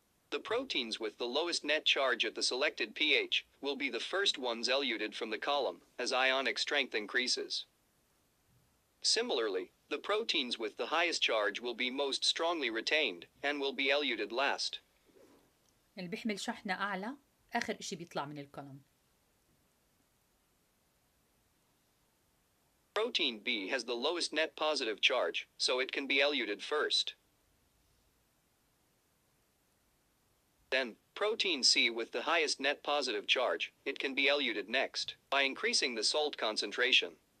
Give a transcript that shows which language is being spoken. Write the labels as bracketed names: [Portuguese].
[English] The proteins with the lowest net charge at the selected pH will be the first ones eluted from the column as ionic strength increases. Similarly, the proteins with the highest charge will be most strongly retained and will be eluted last. [Arabic] اللي بيحمل شحنة أعلى آخر إشي بيطلع من الكولوم. [English] Protein B has the lowest net positive charge, so it can be eluted first. Then, protein C with the highest net positive charge, it can be eluted next, by increasing the salt concentration.